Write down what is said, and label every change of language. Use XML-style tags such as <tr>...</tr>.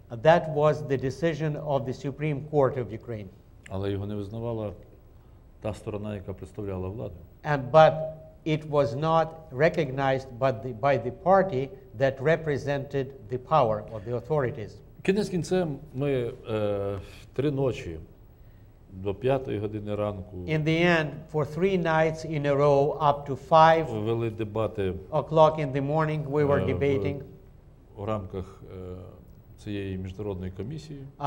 <en>That was the decision of the Supreme Court of Ukraine.</en> <uk>Але його не визнавала та сторона, яка представляла владу.</uk> <en>And but it was not recognized by the party that represented the power or the authorities.</en> <uk>Кінець кінцем ми три ночі до п'ятої години ранку.</uk> <en>In the end, for three nights in a row, up to 5 o'clock in the morning, we were debating.</en> <uk>У рамках цієї міжнародної комісії.</uk>